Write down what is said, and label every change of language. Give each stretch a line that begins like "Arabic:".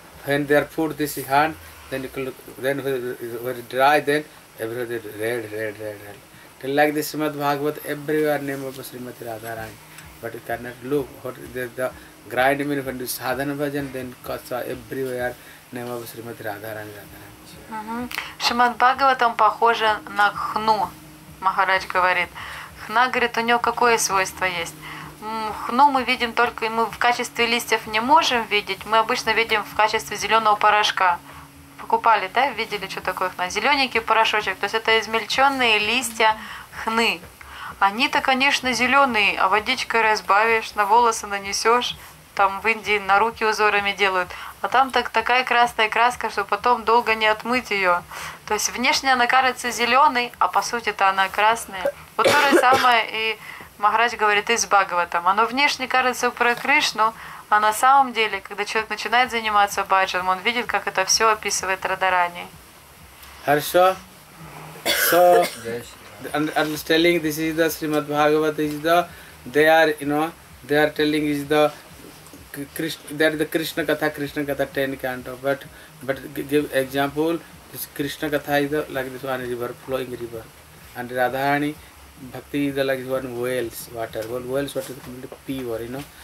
English: When they are put this hand, then you can look, then when it dry, then everything is red. Like this Srimad Bhagavat, everywhere name of Srimati Radharani. But you cannot look, what the grind means when you sadhana bhajan, then kasa everywhere name of Srimati Radharani. Uh-huh.
Russian: Шримад Бхагаватам похоже на хну, Махарадж говорит. Хна, говорит, у него какое свойство есть? Хну мы видим только, мы в качестве листьев не можем видеть, мы обычно видим в качестве зеленого порошка. Покупали, да, видели, что такое хна? Зелененький порошочек, то есть это измельченные листья хны. Они-то, конечно, зеленые, а водичкой разбавишь, на волосы нанесешь, там в Индии на руки узорами делают, а там так такая красная краска, что потом долго не отмыть ее. То есть внешне она кажется зеленой, а по сути-то она красная. Вот то же самое и Махарадж говорит и с Бхагаватом. Оно внешне кажется про Кришну, а на самом деле, когда человек начинает заниматься баджаном, он видит, как это все описывает Радарани. Хорошо.
English: So, I'm telling this is the Srimad Bhagavat is the, they are, you know, they are telling is the Krishna, that is the Krishna Katha 10 canto, but give example, this Krishna Katha is the, like this one river, flowing river, and Radharani, Bhakti is the, like this one whales water, completely pure, you know.